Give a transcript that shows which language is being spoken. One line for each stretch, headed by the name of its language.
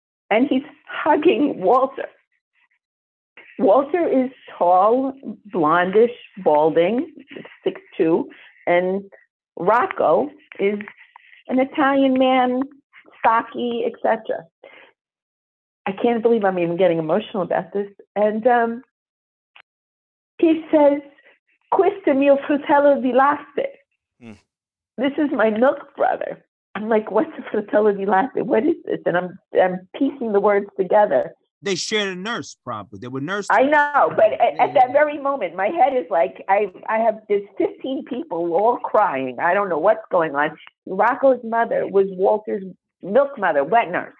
English: And he's hugging Walter. Walter is tall, blondish, balding, 6'2". And Rocco is an Italian man, stocky, etc. I can't believe I'm even getting emotional about this. And he says,
Italian: questo mio fratello di latte.
English: This is my milk brother. I'm like, what's a fratello di latte? What is this? And I'm piecing the words together. they shared a nurse, probably. They were nurses. I know, but at that very moment, my head is like, I have this 15 people all crying. I don't know what's going on. Rocco's mother was Walter's milk mother, wet nurse.